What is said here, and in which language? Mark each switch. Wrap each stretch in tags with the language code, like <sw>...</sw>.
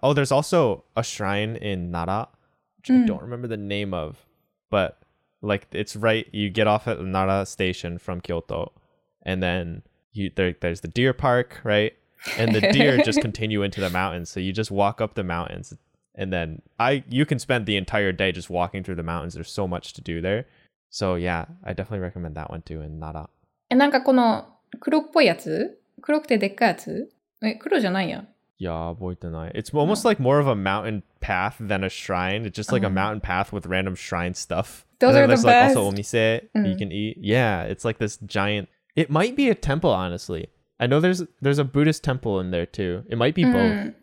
<en>Oh, there's also a shrine in Nara, which I don't remember the name of, but like, it's right, you get off at Nara station from Kyoto, and then there's the deer park, right? And the deer just continue into the mountains. So you just walk up the mountains, and then you can spend the entire day just walking through the mountains. There's so much to do there. So yeah, I definitely recommend that one too in Nara.</en> <ja>え、なんかこの黒っぽいやつ? 黒くてでっかいやつ?え、黒じゃないや。いや、覚えてない。</ja> <en>It's almost like more of a mountain path than a shrine. It's just like a mountain path with random shrine stuff. Those are the best. There's also omise you can eat. Yeah, it's like this giant... It might be a temple, honestly. I know there's a Buddhist temple in there too. It might be both.</en>